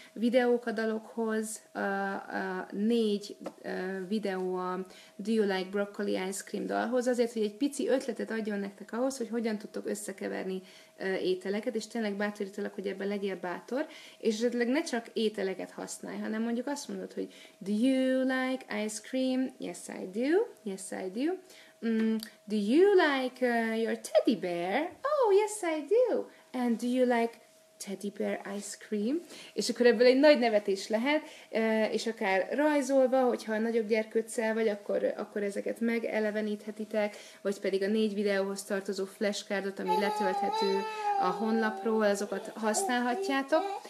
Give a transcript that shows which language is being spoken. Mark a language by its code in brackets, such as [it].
[hu] Videók a dalokhoz, a 4 videó a Do You Like Broccoli Ice Cream dalhoz, azért, hogy egy pici ötletet adjon nektek ahhoz, hogy hogyan tudtok összekeverni ételeket, és tényleg bátorítalak, hogy ebben legyél bátor, és esetleg ne csak ételeket használj, hanem mondjuk azt mondod, hogy [en] Do you like ice cream? Yes, I do. [hu] Yes, I do. [en] do you like your teddy bear? Oh, yes, I do. And do you like teddy bear ice cream? [hu] És akkor ebből egy nagy nevetés lehet, és akár rajzolva, hogyha a nagyobb gyerkőccel vagy, akkor ezeket megeleveníthetitek, vagy pedig a 4 videóhoz tartozó flashcardot, ami letölthető a honlapról, azokat használhatjátok.